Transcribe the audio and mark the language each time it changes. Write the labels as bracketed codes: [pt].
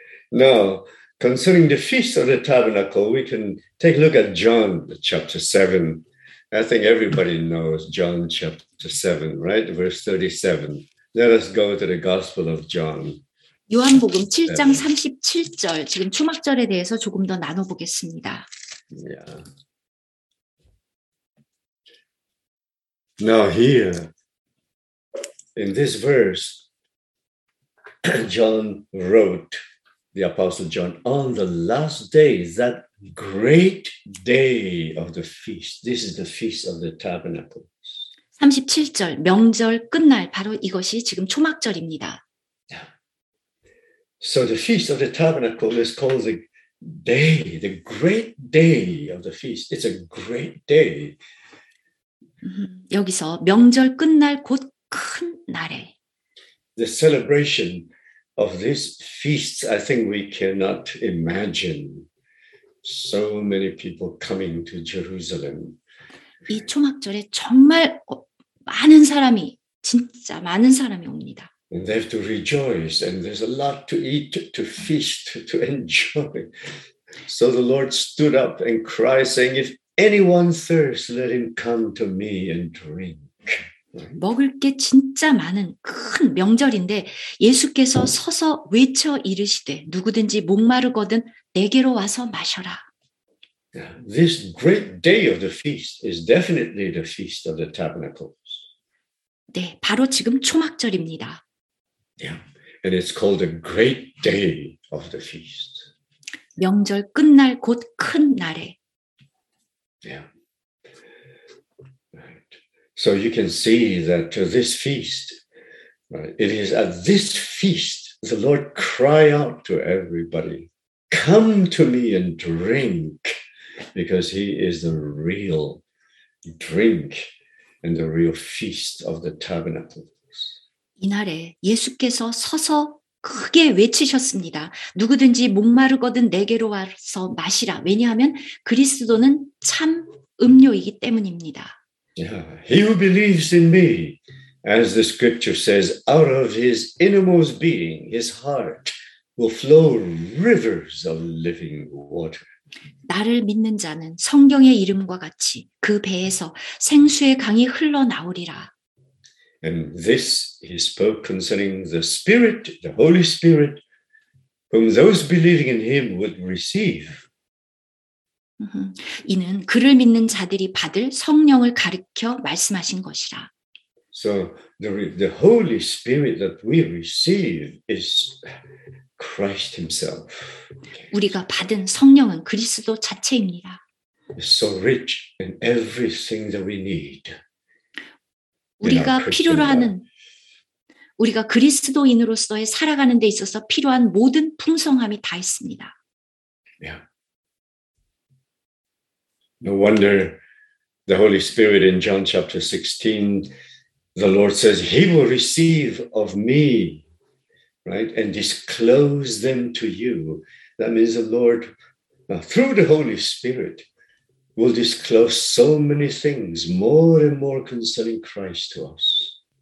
[en] Now, concerning the Feast of the Tabernacle, we can take a look at John chapter 7. I think everybody knows John chapter 7, right? Verse 37. Let us go to the Gospel of John. [ko] 요한복음 7장 37절, 지금 초막절에 대해서 조금 더 나눠보겠습니다. [en] Yeah. Now here, in this verse, John wrote, the Apostle John, on the last day, that great day of the feast. This is the Feast of the Tabernacles. [ko] 37절, 명절 끝날, 바로 이것이 지금 초막절입니다. [en] So the Feast of the Tabernacle is called the day, the great day of the feast. It's a great day. [ko] 여기서 명절 끝날 곧 큰 날에. [en] The celebration of these feasts, I think we cannot imagine so many people coming to Jerusalem. [ko] 이 초막절에 정말 많은 사람이, 진짜 많은 사람이 옵니다. [en] And they have to rejoice, and there's a lot to eat, to feast, to enjoy. So the Lord stood up and cried, saying, if anyone thirsts, let him come to me and drink. [ko] 먹을 게 진짜 많은 큰 명절인데 예수께서 서서 외쳐 이르시되 누구든지 목마르거든 내게로 와서 마셔라. [en] This great day of the feast is definitely the Feast of the Tabernacles. [ko] 네, 바로 지금 초막절입니다. [en] Yeah. And it's called the great day of the feast. [ko] 명절 끝날 곧 큰 날에. [en] Yeah. Right. So you can see that to this feast, it is at this feast the Lord cry out to everybody, come to me and drink, because he is the real drink and the real feast of the tabernacles. [ko] 이날에 예수께서 서서 크게 외치셨습니다. 누구든지 목마르거든 내게로 와서 마시라. 왜냐하면 그리스도는 참 음료이기 때문입니다. [en] Yeah, he who believes in me, as the scripture says, out of his innermost being, his heart, will flow rivers of living water. [ko] 나를 믿는 자는 성경의 이름과 같이 그 배에서 생수의 강이 흘러나오리라. [en] And this he spoke concerning the Spirit, the Holy Spirit, whom those believing in him would receive. [ko] 이는 그를 믿는 자들이 받을 성령을 가리켜 말씀하신 것이라. [en] So the Holy Spirit that we receive is Christ himself. [ko] 우리가 받은 성령은 그리스도 자체입니다. [en] So rich in everything that we need. [ko] 우리가 필요로 하는 우리가 그리스도인으로서의 살아가는 데 있어서 필요한 모든 풍성함이 다 있습니다. [en] Yeah. No wonder the Holy Spirit in John chapter 16, the Lord says he will receive of me, right, and disclose them to you. That means the Lord, through the Holy Spirit, will disclose so many things more and more concerning Christ to us.